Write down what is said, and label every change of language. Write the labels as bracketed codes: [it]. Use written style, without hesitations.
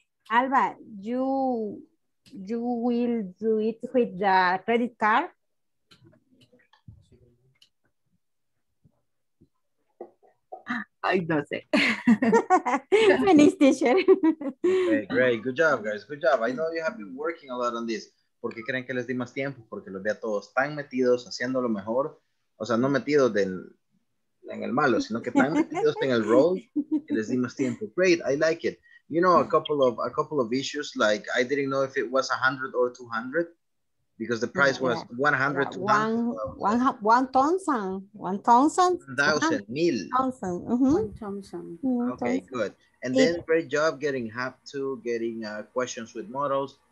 [en] Alba, you will do it with the credit card? I don't say. Finish, teacher. Okay, great. Good job, guys. Good job. I know you have been working a lot on this. [es] ¿Por qué creen que les di más tiempo? Porque los veo a todos tan metidos, haciendo lo mejor. O sea, no metidos en el malo, sino que tan metidos en el role que les di más tiempo. [en] Great. I like it. You know, a couple of issues, like I didn't know if it was 100 or 200 because the price was 100, 200. One thousand. Okay, good. And then great job getting half to getting questions with models.